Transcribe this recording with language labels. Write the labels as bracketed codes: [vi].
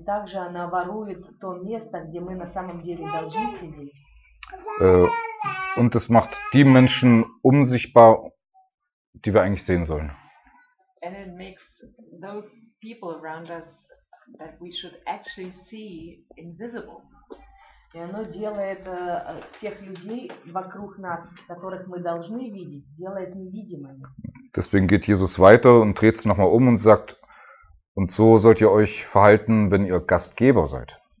[ru] И также она ворует то место, где мы на самом деле должны сидеть. [de] Und es macht die Menschen unsichtbar, die wir eigentlich sehen sollen. [en] And it makes those people around us that we should actually see invisible. [ru] И оно делает тех людей вокруг нас, которых мы должны видеть, делает невидимыми. [de] Deswegen geht Jesus weiter und dreht sich nochmal und sagt: Und so sollt ihr euch verhalten, wenn ihr Gastgeber seid.